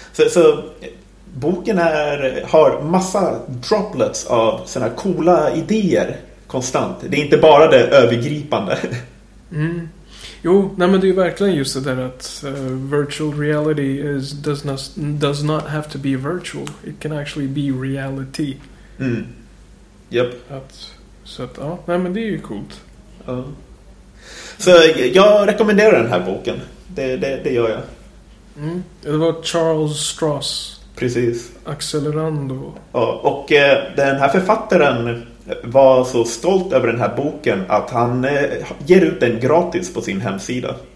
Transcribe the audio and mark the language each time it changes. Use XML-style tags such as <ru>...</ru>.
<sv>Så boken har massa droplets av såna coola idéer konstant. Det är inte bara det övergripande. Mm. Jo, nej, men det är ju verkligen just det där att</sv> <en>virtual reality does not have to be virtual. It can actually be reality. Mm. Yep.</en> <sv>Så att, ja, nej, men det är ju coolt. Så jag rekommenderar den här boken. Det gör jag. Mm. Det var Charles Stross. Precis. Accelerando. Ja, och den här författaren var så stolt över den här boken att han ger ut den gratis på sin hemsida.</sv>